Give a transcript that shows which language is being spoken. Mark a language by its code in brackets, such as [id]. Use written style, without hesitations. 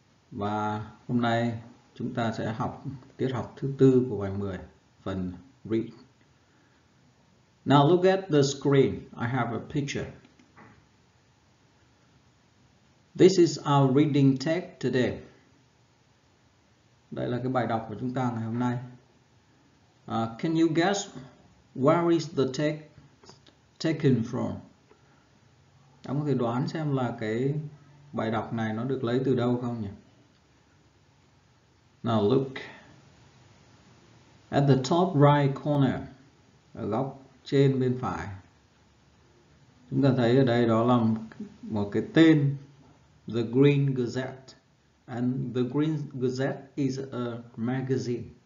[vi] Và hôm nay chúng ta sẽ học tiết học thứ tư của bài 10, phần Read. [en] Now look at the screen. I have a picture. This is our reading text today. [vi] Đây là cái bài đọc của chúng ta ngày hôm nay. [en] Can you guess where is the text taken from? [vi] Em có thể đoán xem là cái bài đọc này nó được lấy từ đâu không nhỉ? [en] Now look at the top right corner. [vi] Ở góc trên bên phải, chúng ta thấy ở đây đó là một cái tên, The Green Gazette, [en] and The Green Gazette is a magazine.